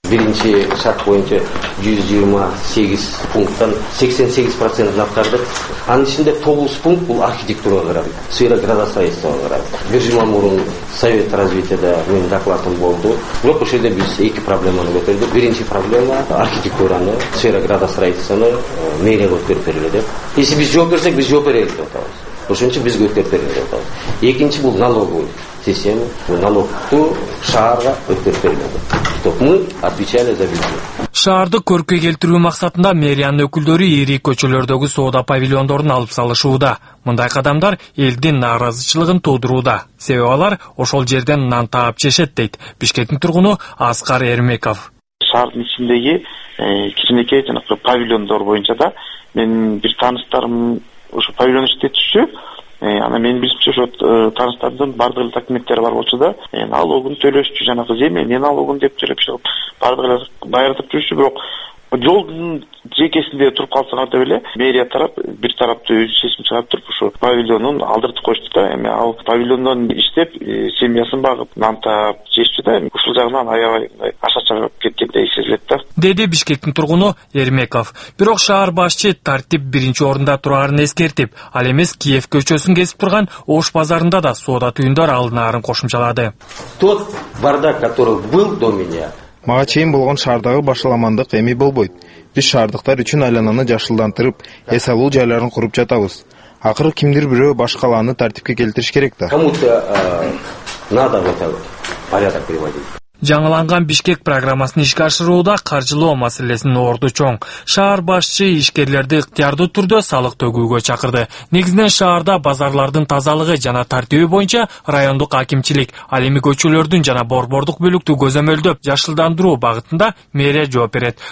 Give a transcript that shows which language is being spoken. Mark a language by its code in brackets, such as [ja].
[ky] Биринчи шарт боюнча 128 пункттан 88% аткардык. Анын ичинде 9 пункт бул архитектурага карап, сфера градостроительствого карап. Бир жума мурун совет развитиеда менин докладым болду. Бирок ошол жерде биз эки проблеманы көтөрдүк. Биринчи проблема архитектураны, сфера градостроительствону мэрияга өткөрүп бериле деп. Если биз жооп берсек, биз жооп берелик деп атабыз. Ошон үчүн бизге өткөрүп берели деп атабыз. Экинчи бул налоговый система, бул налогту шаарга өткөрүп берилди. [ru] Итак, мы отвечали за бизнес. [ky] Шаарды көркө келтирүү максатында мэриянын өкүлдөрү ири көчөлөрдөгү соода павильондорун алып салышууда. Мындай кадамдар элдин нааразычылыгын туудурууда. Себеби алар ошол жерден нан таап жешет, дейт Бишкектин тургуну Аскар Эрмеков. Шаардын ичиндеги кичинекей жанагы павильондор боюнча да менин бир тааныштарым ошо павильон иштетүүчү, анан менин билишимче ошо тааныштардын баардык эле документтери бар болчу да, налогун төлөшчү, жанагы земельный налогун деп жүрүп чыгып баардык эле даярдап жүрүшчү. Бирок жолдун жекесинде туруп калсаң деп эле мэрия тарап бир тарапты өзү чечим чыгарып туруп ушу павильонун алдыртып коюшту да. Эми ал павильондон иштеп семьясын багып нан таап жешчү да. Ушул жагынан аябай аша чыгып кеткендей сезилет да, деди Бишкектин тургуну Эрмеков. Бирок шаар башчы тартип биринчи орунда турарын эскертип, ал эмес Киев көчөсүн кесип турган Ош базарында да соода түйүндөр алынаарын кошумчалады. [ru] Тот бардак, который был до меня, [ky] мага чейин болгон шаардагы башаламандык эми болбойт. Биз шаардыктар үчүн айлананы жашылдандырып, эс алуу жайларын куруп жатабыз. Акыры кимдир бирөө баш калааны тартипке келтириш керек да. [ru] Кому-то надо в это порядок приводить. [ky] Жаңыланган Бишкек программасын ишке ашырууда каржылоо маселесинин орду чоң. Шаар башчы ишкерлерди ыктыярдуу түрдө салык төгүүгө чакырды. Негизинен шаарда базарлардын тазалыгы жана тартиби боюнча райондук акимчилик, ал эми көчөлөрдүн жана борбордук бөлүктү көзөмөлдөп жашылдандыруу багытында мэрия жооп берет.